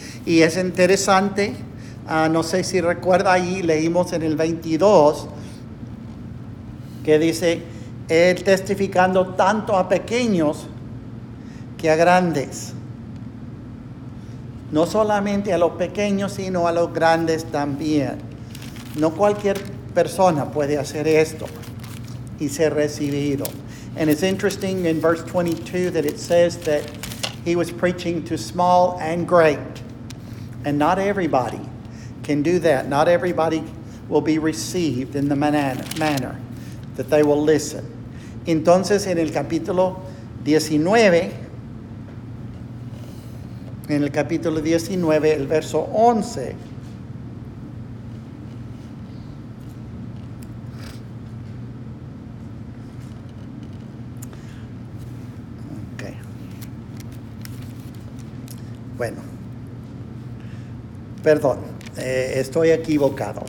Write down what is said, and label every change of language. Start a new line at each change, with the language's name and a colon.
Spanish: Y es interesante, no sé si recuerda ahí, leímos en el 22, que dice, él testificando tanto a pequeños que a grandes. No solamente a los pequeños, sino a los grandes también. No cualquier persona puede hacer esto y ser recibido.
English: And it's interesting in verse 22 that it says that he was preaching to small and great. And not everybody can do that. Not everybody will be received in the manner that they will listen.
Spanish: Entonces, en el capítulo 19, el verso 11, bueno, perdón, estoy equivocado.